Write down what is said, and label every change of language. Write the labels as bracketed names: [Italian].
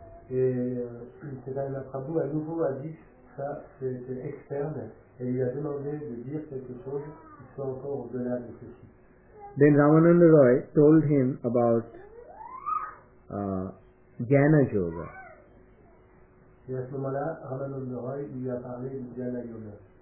[French] Et Chaitanya Mahaprabhu à nouveau a dit ça, c'est externe, et il a demandé de dire quelque chose qui soit encore au-delà de ceci. [English] Then Ramananda Roy told him about Jnana Yoga. [French] Et à ce moment-là, Ramananda Roy lui a parlé de Jnana Yoga.